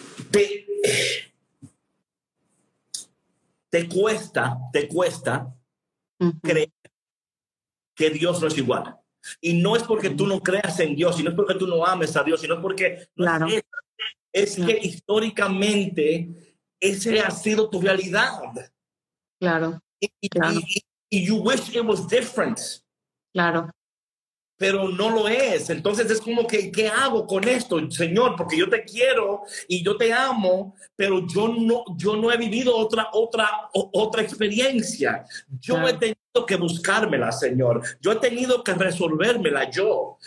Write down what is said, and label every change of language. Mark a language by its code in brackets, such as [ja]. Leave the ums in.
[es] te, te cuesta, te cuesta Ujú. creer que Dios no es igual. Y no es porque tú no creas en Dios, y no es porque tú no ames a Dios, sino es porque no es Claro. eso. es, Claro. que históricamente ese ha sido tu realidad. Claro, Y, y- Claro. [en] y- y you wish it was different, [es] claro. pero no lo es. Entonces es como que, ¿qué hago con esto, Señor? Porque yo te quiero y yo te amo, pero yo no, yo no he vivido otra, otra, o- otra experiencia. Yo Claro. he tenido que buscármela, Señor. Yo he tenido que resolvérmela yo.